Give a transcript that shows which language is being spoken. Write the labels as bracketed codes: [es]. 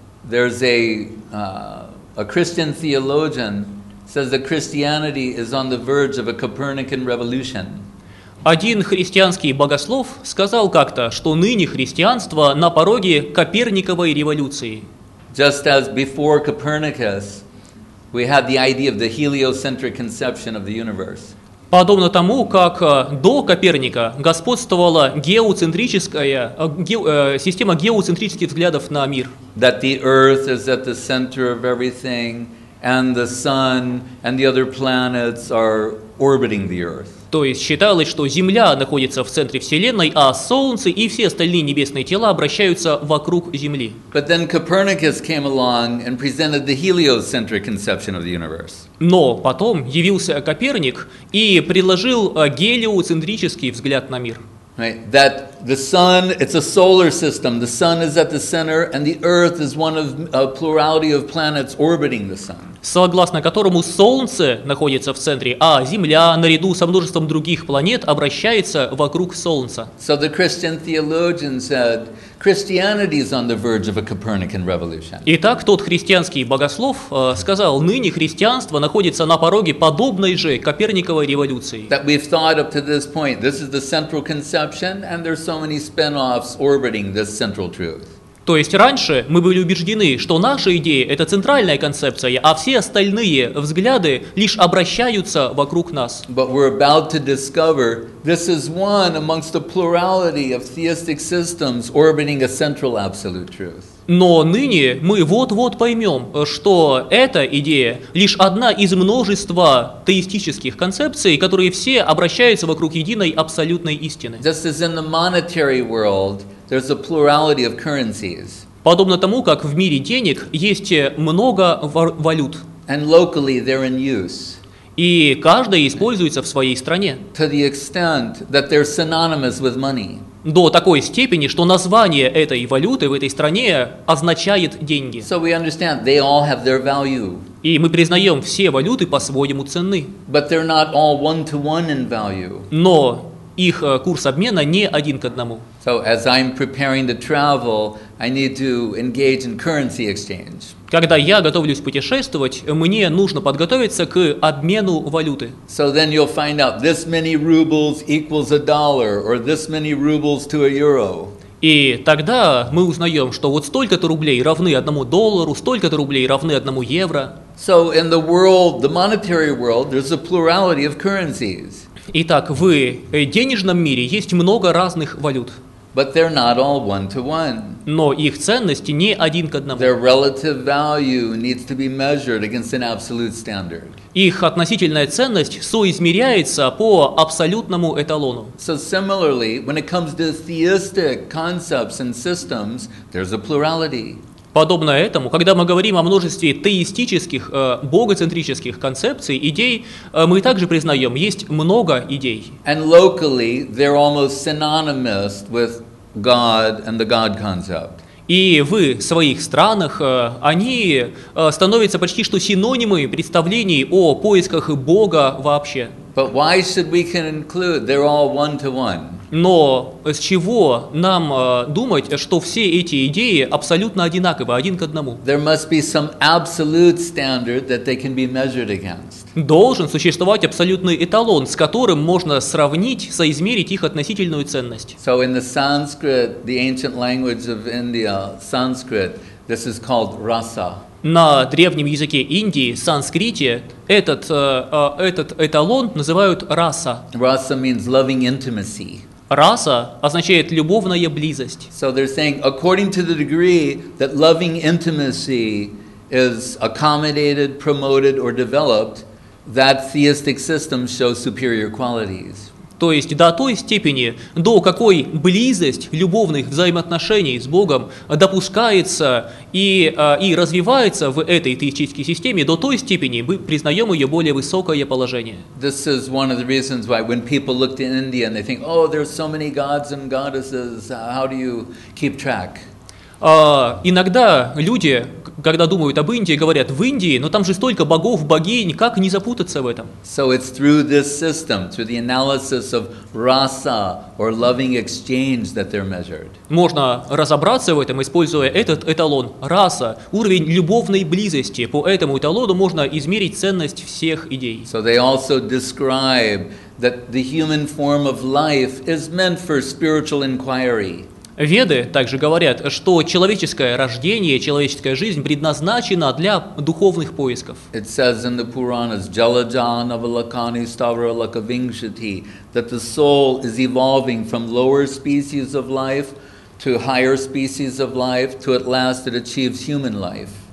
[en] There's a Christian theologian says that Christianity is on the verge of a Copernican revolution. [ru] Один христианский богослов сказал как-то, что ныне христианство на пороге Коперниковой революции. [en] Just as before Copernicus, we had the idea of the heliocentric conception of the universe. [ru] Подобно тому, как до Коперника господствовала система геоцентрических взглядов на мир. [en] That the earth is at the center of everything. And the sun and the other planets are orbiting the earth. [ru] То есть считалось, что Земля находится в центре Вселенной, а Солнце и все остальные небесные тела обращаются вокруг Земли. [en] But then Copernicus came along and presented the heliocentric conception of the universe. [ru] Но потом явился Коперник и предложил гелиоцентрический взгляд на мир. [en] Right? That the sun, it's a solar system, the sun is at the center, and the earth is one of a plurality of planets orbiting the sun. [ru] Согласно которому Солнце находится в центре, а Земля, наряду со множеством других планет, обращается вокруг Солнца. [en] So the Christian theologian said, Christianity is on the verge of a Copernican revolution. [ru] Итак, тот христианский богослов сказал, ныне христианство находится на пороге подобной же Коперниковой революции. [en] That we've thought up to this point, this is the central conception, and there's so many spin-offs orbiting this central truth. [ru] То есть раньше мы были убеждены, что наша идея – это центральная концепция, а все остальные взгляды лишь обращаются вокруг нас. [en] But we're about to discover this is one amongst a plurality of theistic systems orbiting a central absolute truth. [ru] Но ныне мы вот-вот поймем, что эта идея лишь одна из множества теистических концепций, которые все обращаются вокруг единой абсолютной истины. [en] Just as in the monetary world, there's a plurality of currencies. [ru] Подобно тому, как в мире денег есть много валют. [en] And locally they're in use. [ru] И каждая используется в своей стране. [en] To the extent that they're synonymous with money. [ru] До такой степени, что название этой валюты в этой стране означает деньги. [en] So we understand they all have their value. [ru] И мы признаем все валюты по-своему ценны. [en] But they're not all one-to-one in value. [ru] Но их курс обмена не один к одному. [en] So as I'm preparing to travel, I need to engage in currency exchange. [ru] Когда я готовлюсь путешествовать, мне нужно подготовиться к обмену валюты. [en] So then you'll find out this many rubles equals a dollar, or this many rubles to a euro. [ru] И тогда мы узнаем, что вот столько-то рублей равны одному доллару, столько-то рублей равны одному евро. [en] So in the world, the monetary world, there's a plurality of currencies. [ru] Итак, в денежном мире есть много разных валют. [en] But they're not all one-to-one. [ru] Но их ценности не один к одному. [en] Their relative value needs to be measured against an absolute standard. [ru] Их относительная ценность соизмеряется по абсолютному эталону. [en] So similarly, when it comes to theistic concepts and systems, there's a plurality. [ru] Подобно этому, когда мы говорим о множестве теистических, богоцентрических концепций, идей, мы также признаем, есть много идей. [en] And locally, they're almost synonymous with God and the God concept. [ru] И в своих странах они становятся почти что синонимы представлений о поисках Бога вообще. [en] But why should we conclude they're all one-to-one? [ru] Но с чего нам думать, что все эти идеи абсолютно одинаковы, один к одному? [en] There must be some absolute standard that they can be measured against. [ru] Должен существовать абсолютный эталон, с которым можно сравнить, соизмерить их относительную ценность. [en] So in the Sanskrit, the ancient language of India, Sanskrit, this is called rasa. [ru] На древнем языке Индии, санскрите, этот эталон называют раса. [en] Rasa means loving intimacy. [ru] Раса означает любовная близость. [en] So they're saying, according to the degree that loving intimacy is accommodated, promoted, or developed, that theistic system shows superior qualities. [ru] То есть до той степени, до какой близость любовных взаимоотношений с Богом допускается и развивается в этой теистической системе, до той степени мы признаем ее более высокое положение. [en] This is one of the reasons why when people look to India and they think, oh, there's so many gods and goddesses, how do you keep track? [ru] Иногда люди, когда думают об Индии, говорят, в Индии, но там же столько богов, богинь, как не запутаться в этом? [en] So it's through this system, through the analysis of rasa or loving exchange that they're measured. [ru] Можно разобраться в этом, используя этот эталон, раса, уровень любовной близости. По этому эталону можно измерить ценность всех идей. [en] So they also describe that the human form of life is meant for spiritual inquiry. [ru] Веды также говорят, что человеческое рождение, человеческая жизнь предназначена для духовных поисков. [en] It says in the Puranas, [sa] Jalajana Valakani Stavra Lakavingshati, [en] that the soul is evolving from lower species of life to higher species of life, to at last it achieves human life.